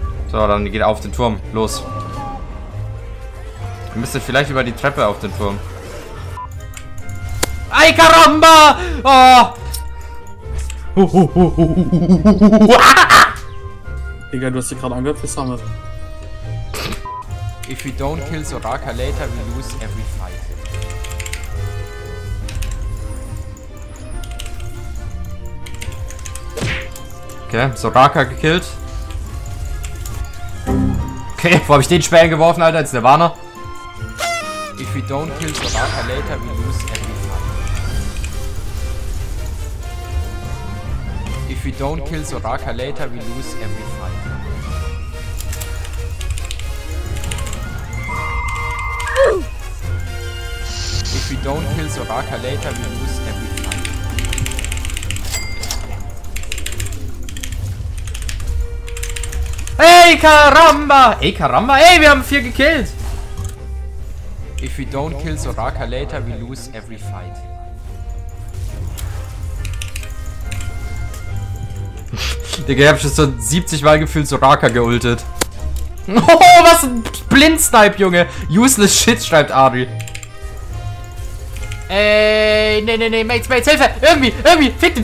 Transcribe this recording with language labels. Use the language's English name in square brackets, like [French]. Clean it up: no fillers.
[German] So, dann geht auf den Turm. Los. Du müsstest vielleicht über die Treppe auf den Turm. [Spanish] Ay, caramba! Oh! [German] Digga, du hast dich gerade angehört für Summer. [English] If we don't kill Soraka later, we lose every fight. [German] Okay, Soraka gekillt. Okay, wo hab ich den Speer geworfen, Alter? Jetzt Nirvana. [English] If we don't kill Soraka later, we lose every fight. If we don't kill Soraka later, we lose every fight. If we don't kill Soraka later, we lose every fight. [German] Hey, caramba! Hey, caramba! Hey, wir haben 4 gekillt! [English] If we don't kill Soraka later, we lose every fight. [German] Digga, ich hab schon so 70 Mal gefühlt Soraka geultet. Oh, was ein Blindsnipe, Junge! Useless shit, schreibt Ari. Ey, nee, Mates, Hilfe! Irgendwie, fick den!